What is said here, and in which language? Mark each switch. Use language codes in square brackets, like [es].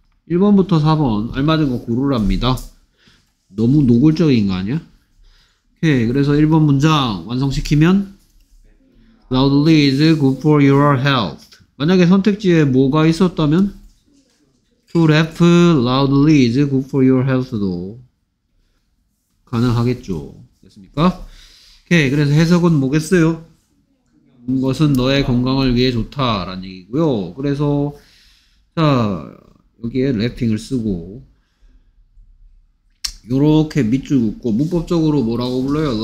[ko] 1번부터 4번, 알맞은 거 고르랍니다. 너무 노골적인 거 아니야? 오케이, 그래서 1번 문장 완성시키면 [en] Loudly is good for your health. [ko] 만약에 선택지에 뭐가 있었다면? [en] To rap loudly is good for your health도 [ko] 가능하겠죠. 됐습니까? 오케이, 그래서 해석은 뭐겠어요? 그것은 너의 건강을 위해 좋다라는 얘기고요. 그래서 자, 여기에 래핑을 쓰고 요렇게 밑줄 긋고 문법적으로 뭐라고 불러요?